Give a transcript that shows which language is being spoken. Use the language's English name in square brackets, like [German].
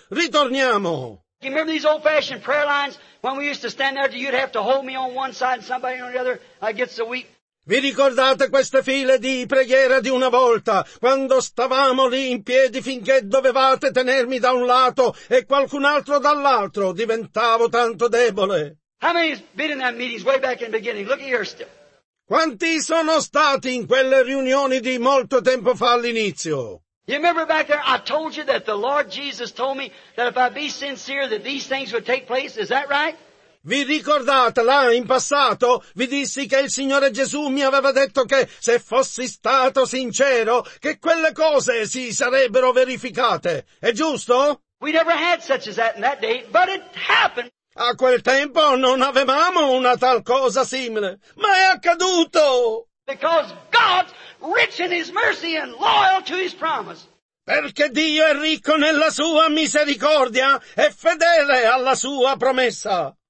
[Italian] Ritorniamo. [English] You remember these old-fashioned prayer lines when we used to stand there? You'd have to hold me on one side and somebody on the other. I get so weak. [Italian] Vi ricordate queste file di preghiera di una volta, quando stavamo lì in piedi finché dovevate tenermi da un lato e qualcun altro dall'altro, diventavo tanto debole. [English] How many have been in that meetings way back in the beginning? Look at here still. [Italian] Quanti sono stati in quelle riunioni di molto tempo fa all'inizio? [English] You remember back there I told you that the Lord Jesus told me that if I be sincere that these things would take place, is that right? [Italian] Vi ricordate là in passato? Vi dissi che il Signore Gesù mi aveva detto che se fossi stato sincero, che quelle cose si sarebbero verificate. È giusto? [English] We never had such as that in that day, but it happened. [Italian] A quel tempo non avevamo una tal cosa simile, ma è accaduto! [English] Because God's rich in his mercy and loyal to his promise. [Italian] Perché Dio è ricco nella sua misericordia e fedele alla sua promessa.